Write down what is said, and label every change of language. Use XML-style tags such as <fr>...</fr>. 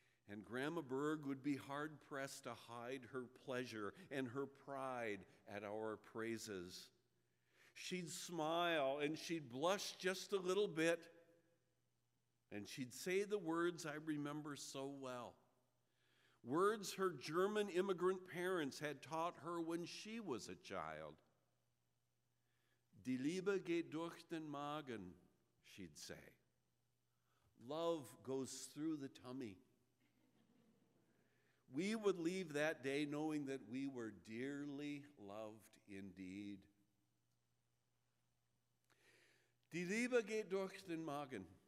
<en>And Grandma Berg would be hard-pressed to hide her pleasure and her pride at our praises. She'd smile and she'd blush just a little bit, and she'd say the words I remember so well. Words her German immigrant parents had taught her when she was a child.</en> <de>Die Liebe geht durch den Magen,</de> <en>she'd say. Love goes through the tummy. We would leave that day knowing that we were dearly loved indeed.</en> <de>Die Liebe geht durch den Magen.</de>